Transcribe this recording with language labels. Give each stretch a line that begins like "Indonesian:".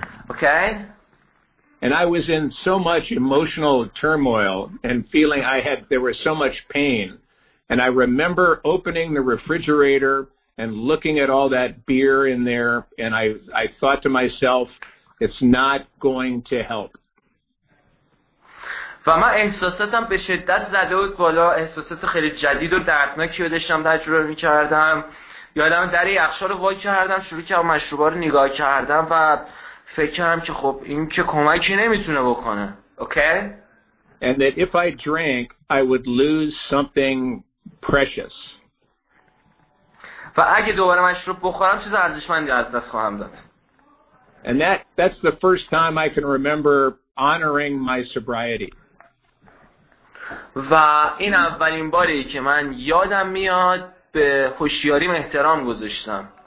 Persian: اوکی؟
English: And I was in so much emotional turmoil and feeling I had there was so much pain. And I remember opening the refrigerator and looking at all that beer in there and I thought to myself, it's not going to help.
Persian: و من احساساتم به شدت زده بود بالا، احساسات خیلی جدید و دردناکی رو داشتم تجربه می‌کردم. یادم در یخچال رو وا کردم، شروع کردم مشروبا رو نگاه کردم و فکر کردم که خب این که کمکی نمیتونه بکنه. اوکی؟
English: And that if I drank, I would lose something precious.
Persian: و اگه دوباره مشروب بخورم چیز ارزشمندی از دست خواهم داد.
English: And that's the first time I can remember honoring my sobriety.
Persian: و این اولین باری که من یادم میاد به هوشیاریم احترام گذاشتم.